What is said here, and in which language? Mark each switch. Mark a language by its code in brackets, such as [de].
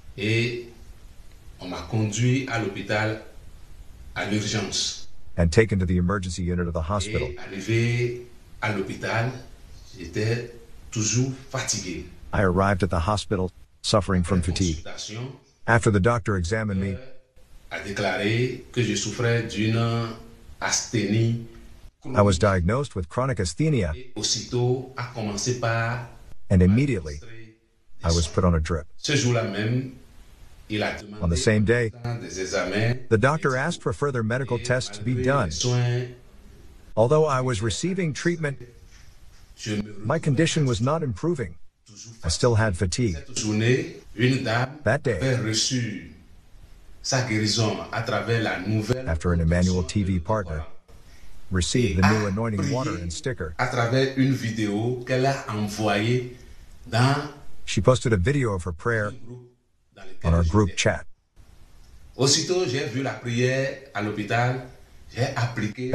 [fr] Et on m'a conduit à l'hôpital à l'urgence. [en] And taken to the emergency unit of the hospital. [fr] Et arrivé à l'hôpital, j'étais toujours fatigué. [en] I arrived at the hospital, suffering from fatigue. After the doctor examined me, [fr] a déclaré que je souffrais d'une asthénie. [en] I was diagnosed with chronic asthenia. [fr] Et aussitôt a commencé par. [en] And immediately, I was put on a drip. [fr] Ce jour-là même, il a demandé. [en] On the same day, [fr] des examens, [en] the doctor asked for further medical tests to be done. [fr] Soins, [en] although I was receiving treatment, my condition was not improving. I still had fatigue. [fr] Cette journée, une dame [en] that day, [fr] avait reçu sa guérison à travers la nouvelle. [en] After an Emmanuel TV partner received the new anointing water and sticker, [fr] à travers une vidéo qu'elle a envoyée dans, [en] she posted a video of her prayer on our group chat. [fr] Aussitôt, j'ai vu la prière à l'hôpital, j'ai appliqué.